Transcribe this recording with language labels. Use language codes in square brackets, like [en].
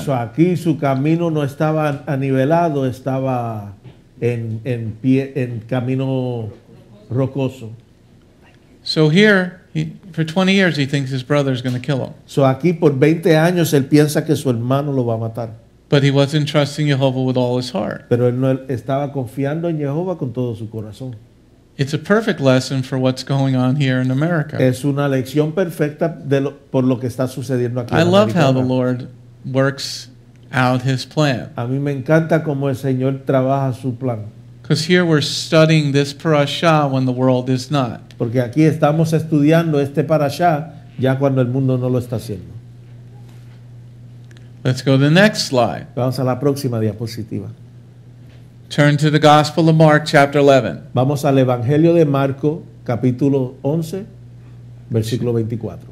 [es] So aquí su camino no estaba anivelado. Estaba en camino rocoso. [en] So here, for 20 years, he thinks his brother is going to kill him. [es] So aquí por 20 años él piensa que su hermano lo va a matar. [en] But he wasn't trusting Jehovah with all his heart. [es] Pero él no estaba confiando en Jehovah con todo su corazón. [en] It's a perfect lesson for what's going on here in America. [es] Es una lección perfecta por lo que está sucediendo aquí en [en] America. I love how the Lord works out His plan. [es] A mí me encanta cómo el Señor trabaja su plan. [en] Because here we're studying this parasha when the world is not. [es] Porque aquí estamos estudiando este parasha ya cuando el mundo no lo está haciendo. [en] Let's go to the next slide. [es] Vamos a la próxima diapositiva. [en] Turn to the Gospel of Mark, chapter 11. [es] Vamos al Evangelio de Marco, capítulo 11, versículo 24.